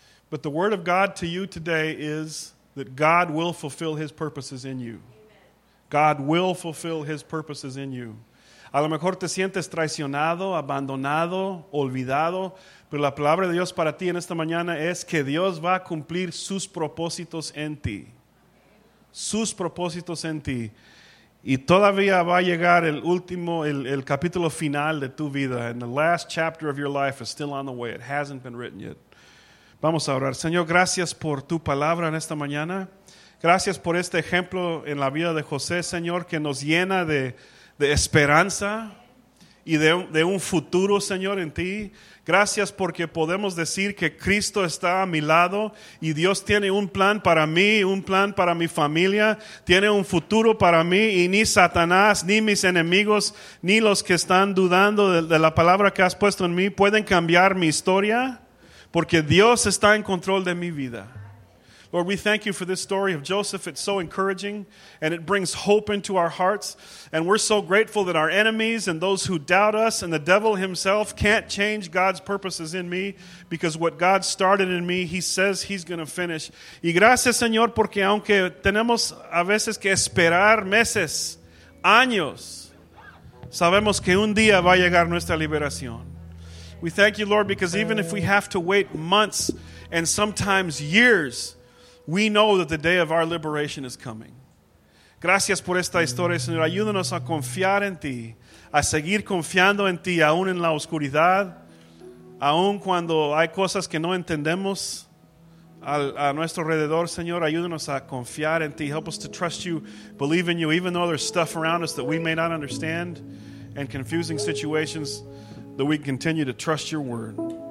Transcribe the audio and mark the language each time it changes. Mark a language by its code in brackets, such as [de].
[en] But the word of God to you today is that God will fulfill his purposes in you. Amen. God will fulfill his purposes in you. [es] A lo mejor te sientes traicionado, abandonado, olvidado, pero la palabra de Dios para ti en esta mañana es que Dios va a cumplir sus propósitos en ti. Sus propósitos en ti. Y todavía va a llegar el último, el capítulo final de tu vida. [en] And the last chapter of your life is still on the way. It hasn't been written yet. [es] Vamos a orar. Señor, gracias por tu palabra en esta mañana. Gracias por este ejemplo en la vida de José, Señor, que nos llena de esperanza y de un futuro, Señor, en ti. Gracias porque podemos decir que Cristo está a mi lado y Dios tiene un plan para mí, un plan para mi familia, tiene un futuro para mí, y ni Satanás, ni mis enemigos, ni los que están dudando de la palabra que has puesto en mí pueden cambiar mi historia. Porque Dios está en control de mi vida. [en] Lord, we thank you for this story of Joseph. It's so encouraging and it brings hope into our hearts. And we're so grateful that our enemies and those who doubt us and the devil himself can't change God's purposes in me, because what God started in me, he says he's going to finish. [es] Y gracias, Señor, porque aunque tenemos a veces que esperar meses, años, sabemos que un día va a llegar nuestra liberación. [en] We thank you, Lord, because even if we have to wait months and sometimes years, we know that the day of our liberation is coming. [es] Gracias por esta historia, Señor. Ayúdanos a confiar en ti, a seguir confiando en ti, aún en la oscuridad, aún cuando hay cosas que no entendemos a nuestro alrededor, Señor. Ayúdanos a confiar en ti. [en] Help us to trust you, believe in you, even though there's stuff around us that we may not understand and confusing situations, that we continue to trust your word.